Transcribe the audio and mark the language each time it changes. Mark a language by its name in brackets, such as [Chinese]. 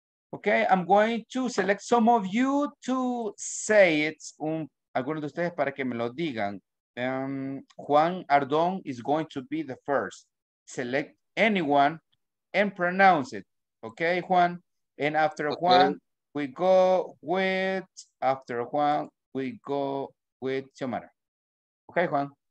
[English] Ok, I'm going to select some of you to say it. [Spanish] Algunos de ustedes para que me lo digan. [English] Juan Ardón is going to be the first. Select anyone and pronounce it. Okay, Juan. And after okay. Juan, we go with, after Juan, we go with Xiomara. Okay, Juan.